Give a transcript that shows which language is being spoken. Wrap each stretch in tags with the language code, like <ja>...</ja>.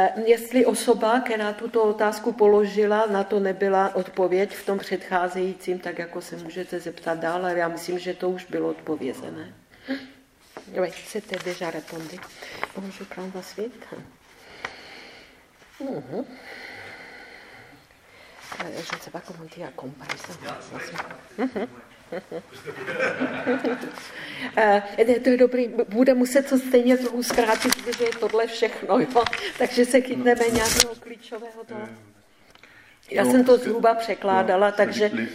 <cs>Jestli osoba, která tuto otázku položila, na to nebyla odpověď v tom předcházejícím, tak jako se můžete zeptat dál, ale já myslím, že to už bylo odpovězené.</cs> <fr>Oui, c'était déjà répondu. Bonjour, prends la suite. Je ne sais pas comment tu as compris ça.</fr> <cs>To je dobrý, bude muset to stejně trochu zkrátit, protože je tohle všechno, jo? Takže se chytneme nějakého klíčového toho. Já jsem to zhruba překládala, takže...</cs>